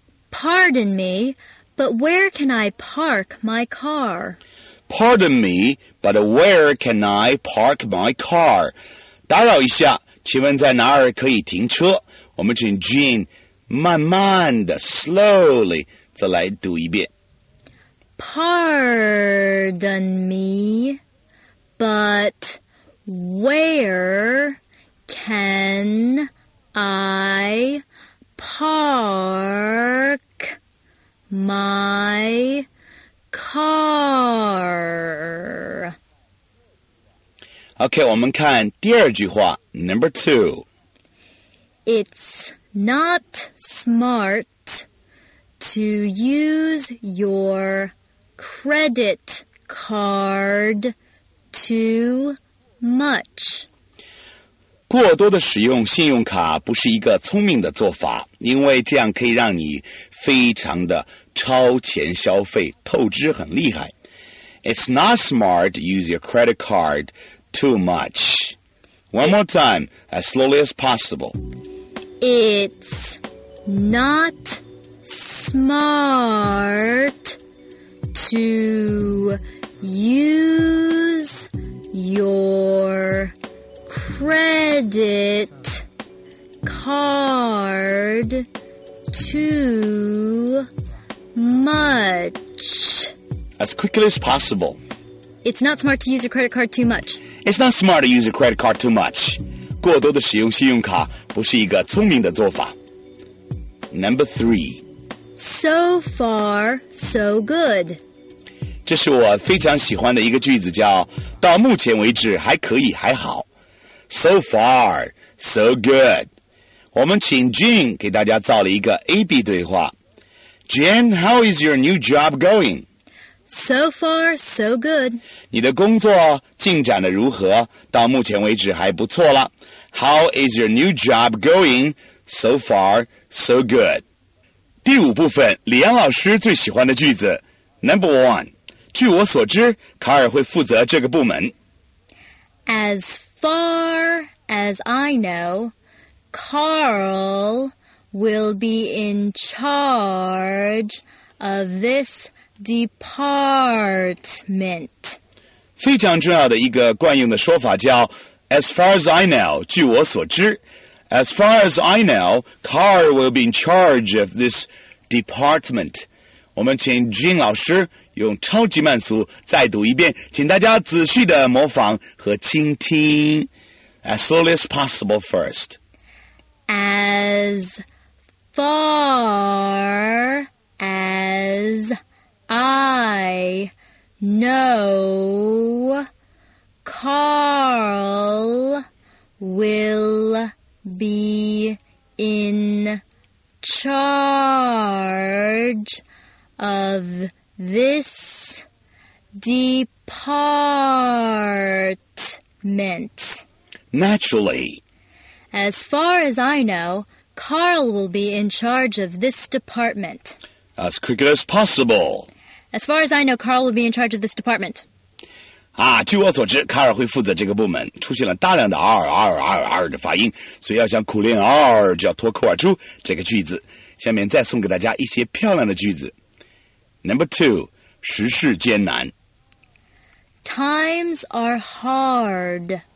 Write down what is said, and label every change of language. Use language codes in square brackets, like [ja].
[en] Pardon me, but where can I park my car? Pardon me, but where can I park my car? [zh] 打扰一下，请问在哪儿可以停车？我们请 Jane 慢慢的 slowly 再来读一遍。 [en] Pardon me, but... Where can I park my car? Okay, [zh] 我们看第二句话 [en] number 2. It's not smart to use your credit card to... Much. [zh] 过多的使用信用卡不是一个聪明的做法，因为这样可以让你非常的超前消费，透支很厉害。 [en] It's not smart to use your credit card too much. One more time, as slowly as possible. It's not smart to use your credit card too much. As quickly as possible. It's not smart to use your credit card too much. It's not smart to use your credit card too much. [zh] 过多的使用信用卡不是一个聪明的做法。 [en] Number 3. So far, so good. [zh] 这是我非常喜欢的一个句子叫到目前为止还可以还好。 [en] So far, so good. [zh] 我们请 Jean 给大家造了一个 A-B 对话。 [en] Jean, how is your new job going? So far, so good. [zh] 你的工作进展得如何？到目前为止还不错了。 [en] How is your new job going? So far, so good. [zh] 第五部分，李安老师最喜欢的句子。 [en] Number one, [zh] 据我所知，卡尔会负责这个部门。 [en] As far as I know, Carl will be in charge of this department. [zh] 非常重要的一个惯用的说法叫 [en] As far as I know, [zh] 据我所知。 [en] As far as I know, Carl will be in charge of this department. [zh] 我们请 Jean 老师用超级慢速再读一遍，请大家仔细的模仿和倾听。 [en] As slowly as possible first. As far as I know, Carl will be in charge of this department. Naturally. As far as I know, Carl will be in charge of this department. As quickly as possible. As far as I know, Carl will be in charge of this department. [zh] 啊，据我所知，卡尔会负责这个部门。出现了大量的 R 的发音，所以要想苦练 R 就要脱口而出这个句子。下面再送给大家一些漂亮的句子。 [en] Number two, [zh] 时事艰难。 [en] Times are hard.